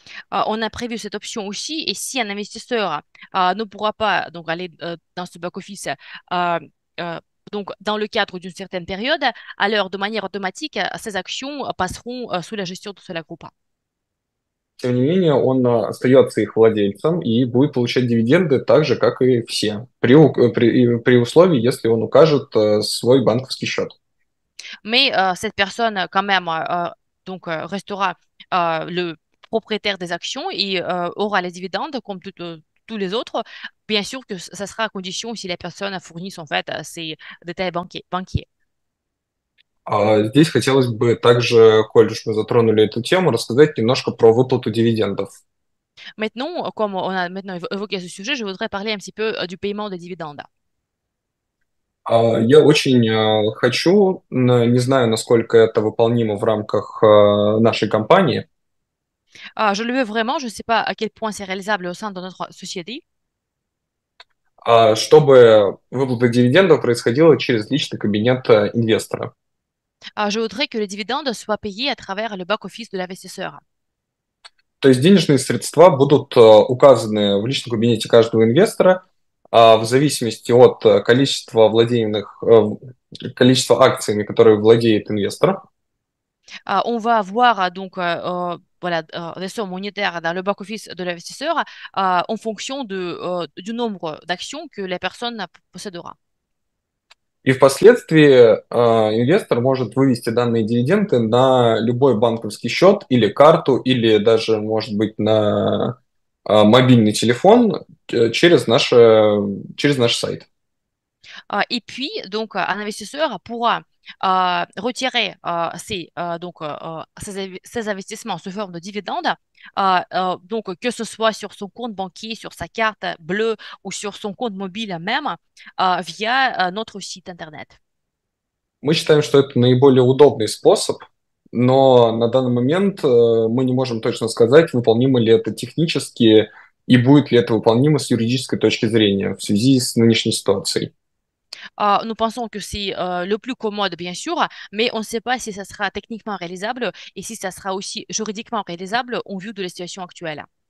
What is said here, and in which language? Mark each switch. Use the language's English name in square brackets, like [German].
[French] On a prévu cette option aussi, et si un investisseur ne pourra pas donc aller dans ce back-office dans le cadre d'une certaine période, alors de manière automatique, ses actions passeront sous la gestion de Solar Group. [Russian] Тем не менее, он остается их владельцем и будет получать дивиденды так же, как и все, при условии, если он укажет свой банковский счет. [French] Mais cette personne, quand même, restera le propriétaire des actions et aura les dividendes comme tous les autres. Bien sûr que ça sera à condition si la personne fournit en fait ses détails banquiers. [Russian] Здесь хотелось бы также, коль уж мы затронули эту тему, рассказать немножко про выплату дивидендов. [French] Maintenant, comme on a maintenant évoqué ce sujet, je voudrais parler un petit peu du paiement des dividendes. [Russian] Я очень хочу, не знаю, насколько это выполнимо в рамках нашей компании. [French] Je le veux vraiment, je ne sais pas à quel point c'est réalisable au sein de notre société. [Russian] чтобы выплата дивидендов происходила через личный кабинет инвестора. [French] Je voudrais que les dividendes soient payés à travers le back-office de l'investisseur. [Russian] То есть денежные средства будут указаны в личном кабинете каждого инвестора, в зависимости от количества акциями, которые владеет инвестор. [French] On va avoir donc voilà, des sommes monétaires dans le back-office de l'investisseur en fonction du nombre d'actions que la personne possédera. [Russian] И впоследствии инвестор может вывести данные дивиденды на любой банковский счет или карту, или даже, может быть, на мобильный телефон через наш сайт. [French] Et puis, donc, un investisseur pourra retirer ses investissements sous forme de dividendes, donc, que ce soit sur son compte bancaire, sur sa carte bleue ou sur son compte mobile même, via notre site Internet. [Russian] Мы считаем, что это наиболее удобный способ, но на данный момент мы не можем точно сказать, выполнимо ли это технически и будет ли это выполнимо с юридической точки зрения в связи с нынешней ситуацией. [French] Nous pensons que c'est le plus commode, bien sûr, mais on ne sait pas si ça sera techniquement réalisable et si ça sera aussi juridiquement réalisable en vue de la situation actuelle.